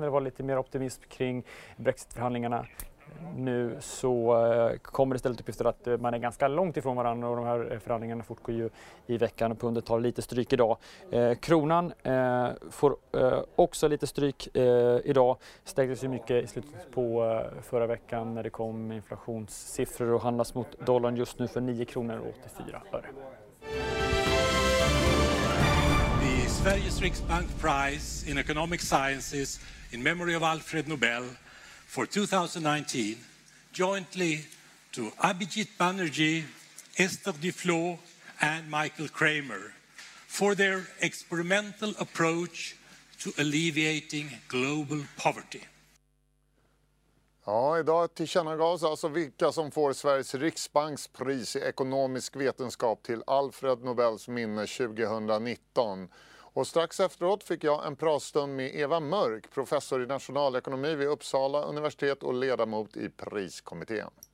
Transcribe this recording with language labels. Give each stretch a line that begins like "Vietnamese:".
Swedish: Det var lite mer optimism kring Brexit-förhandlingarna. Nu så kommer det istället uppgifter att man är ganska långt ifrån varandra och de här förhandlingarna fortgår ju i veckan och pundet tar lite stryk idag. Kronan får också lite stryk idag. Stärktes ju mycket i slutet på förra veckan när det kom inflationssiffror och handlas mot dollarn just nu för 9 kronor och 84 öre.
English: The Sveriges Riksbank Prize in Economic Sciences in memory of Alfred Nobel for 2019, jointly to Abhijit Banerjee, Esther Duflo, and Michael Kremer, for their experimental approach to alleviating global poverty.
Swedish: Ja, idag tillkännagavs alltså vilka som får Sveriges Riksbanks pris i ekonomisk vetenskap till Alfred Nobels minne 2019. Och strax efteråt fick jag en pratstund med Eva Mörk, professor i nationalekonomi vid Uppsala universitet och ledamot i priskommittén.